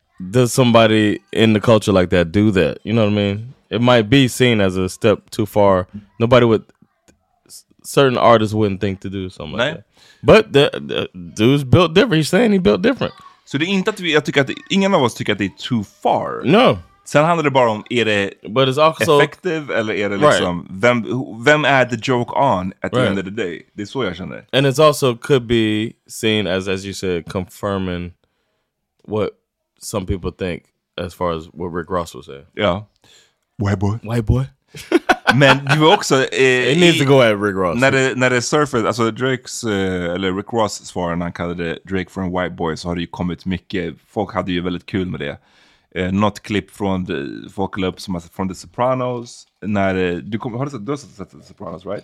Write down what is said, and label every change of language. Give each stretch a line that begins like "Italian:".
English: Does somebody in the culture like that do that? You know what I mean? It might be seen as a step too far. Nobody would... Certain artists wouldn't think to do something like that. But the dude's built different. He's saying he built different.
Swedish: Så det är inte att vi... Jag tycker att ingen av oss tycker att det är
English: too far. No.
Swedish: Sen handlar det bara om, är det
English: but it's also,
Swedish: effective? Eller är det liksom... Right. Vem är
English: the joke on at the end of the day?
Swedish: Det är så jag känner.
English: And it also could be seen as you said, confirming what... Some people think, as far as what Rick Ross was saying. Yeah. White boy.
Swedish: Men du var också...
English: it needs to go at Rick Ross.
Swedish: När det surfade, alltså Drake's, eller Rick Ross svarade när han kallade Drake för en
English: white boy,
Swedish: så har det ju kommit mycket, folk hade ju väldigt kul med det. Något klipp från folk upp som har sett från The Sopranos. Har du sett The Sopranos, right?